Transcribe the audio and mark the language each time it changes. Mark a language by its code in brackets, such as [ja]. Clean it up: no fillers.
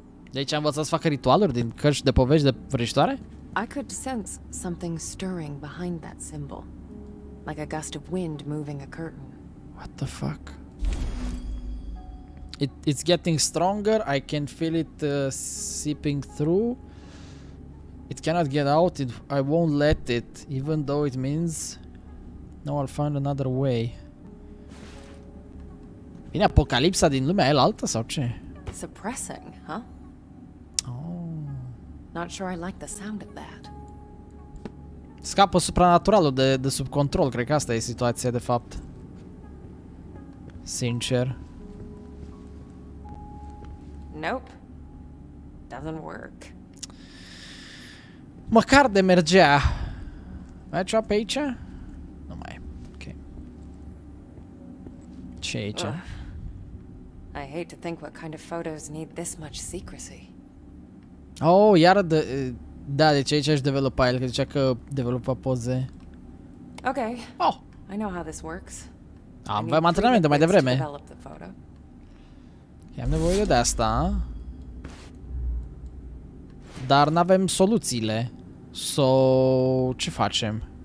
[ro] Deci a învățat să facă ritualuri din cărți de povești de vrăjitoare? [en] I could sense something stirring behind that symbol. Like a gust of wind moving a curtain. What the fuck? It's getting stronger. I can feel it seeping through. It cannot get out. I won't let it, even though it means no, I'll find another way. [ro] Vine apocalipsa din lumea aia altă sau ce? [en] Suppressing, huh? Oh. Not sure I like the sound of that. [ro] Scapă supranaturalul de sub control, cred că asta e situația de fapt. Sincer. [en] Nope. Doesn't work. [ro] Măcar de mergea. Mai ceva pe aici? Nu mai. Ok. Ce e aici? [en] I hate to think what kind of photos need this much secrecy. [ro] Oh, iară de... Da, deci aici aș developa el, că zicea că developa poze. Ok. Oh! [en] I know how this works. [ro] Avem antrenament de mai devreme. Am nevoie de asta. Dar n-avem soluțiile. So, ce facem?